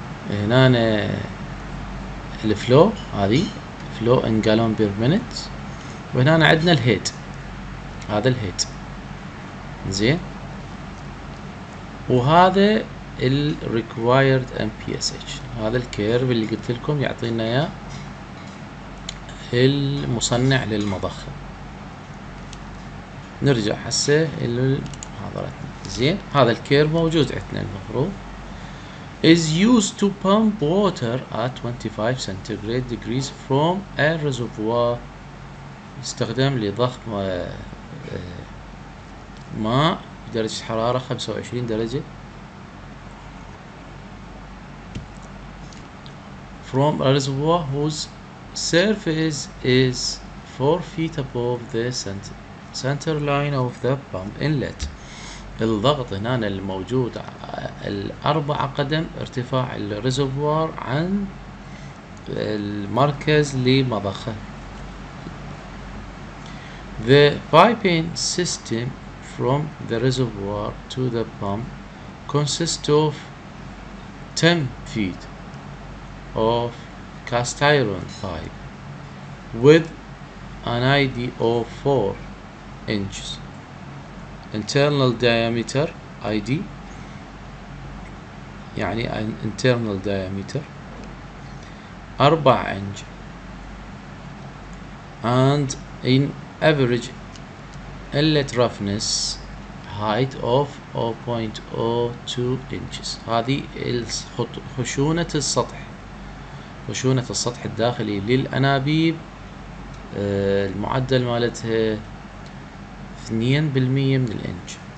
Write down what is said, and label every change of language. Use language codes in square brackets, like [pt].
[ar] هنا الفلو، هذه فلو ان جالون بير مينيت، وهنا عندنا الهيت، هذا الهيت زين، وهذا ال required MPSH، هذا الكيرف اللي قلت لكم يعطينا اياه المصنع للمضخة. نرجع هسه الى محاضرتنا زين. هذا الكيرف موجود عندنا المفروض [en] is used to pump water at 25 centigrade degrees from a reservoir، [ar] يستخدم لضخ ماء درجة حرارة 25 درجة [en] from a reservoir whose surface is 4 feet above the center line of the pump inlet. [ar] الضغط هنا الموجود الأربع قدم ارتفاع الريزرفوار عن المركز لمضخة. [en] The piping system from the reservoir to the pump consists of 10 feet of cast iron pipe with an ID of 4 inches internal diameter ID، [ar] يعني [en] an internal diameter 4 inch and in average inlet roughness height of 0.02 inches. [ar] هذه خشونة السطح، خشونة السطح الداخلي للأنابيب المعدل مالتها 2% من الإنج.